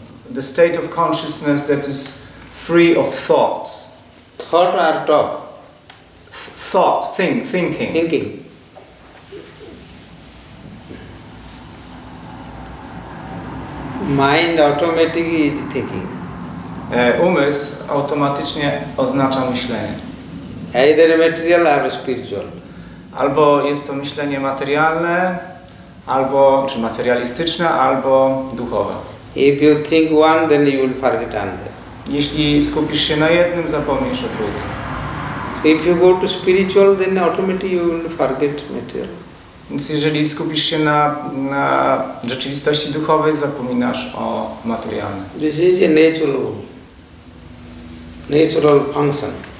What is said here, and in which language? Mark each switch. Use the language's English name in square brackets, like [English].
[English] The state of consciousness that is free of thoughts. Thought or talk? Thinking. Mind automatically is thinking. [Polish] Umysł automatycznie oznacza myślenie. [English] Either material or spiritual. [Polish] Albo jest to myślenie materialne, albo czy materialistyczne, albo duchowe. [English] If you think one, then you will forget another. [Polish] Jeśli skupisz się na jednym, zapomnisz o drugim. [English] If you go to spiritual, then automatically you will forget material. [Polish] Więc jeżeli skupisz się na rzeczywistości duchowej, zapominasz o materialnym. [English] This is a natural function.